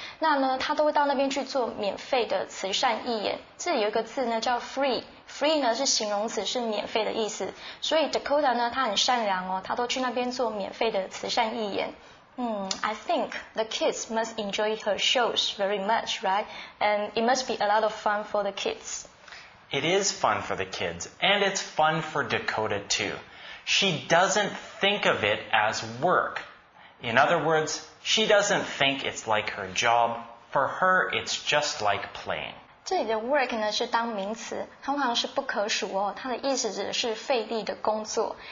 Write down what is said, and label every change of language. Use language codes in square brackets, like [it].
[zh] 那呢，他都会到那边去做免费的慈善义演。这里有一个字呢，叫 free 呢是形容词，是免费的意思。所以 Dakota 呢，他很善良哦，他都去那边做免费的慈善义演。 [en] I think the kids must enjoy her shows very much, right? And it must be a lot of fun for the kids. It is fun for the kids, and it's fun for Dakota too. She doesn't think of it as work. In other words, she doesn't think it's like her job. For her, it's just like playing. [zh] 这里的 work 呢是当名词，通常是不可数哦，它的意思指的是费力的工作。